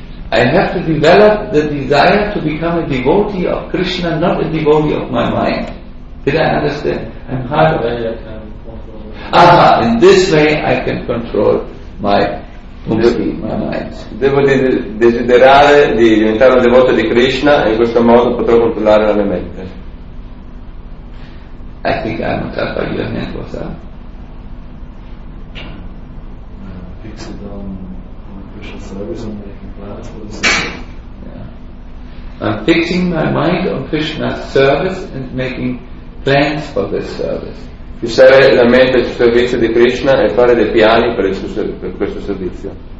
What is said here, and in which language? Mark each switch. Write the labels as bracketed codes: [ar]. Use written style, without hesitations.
[en] I have to develop the desire to become a devotee of Krishna, not a devotee of my mind. Did I understand? I'm hard of it. In this way I can control my mind. [it] Devo desiderare di diventare un devoto di Krishna e in questo modo potrò controllare la mia mente. [en] I think I'm not sure about your hand, what's that? Fixed on Krishna service and making plans for the service. I'm fixing my mind on Krishna's service and making plans for this service. [it] Fissare la mente sul servizio di Krishna e fare dei piani per, per questo servizio.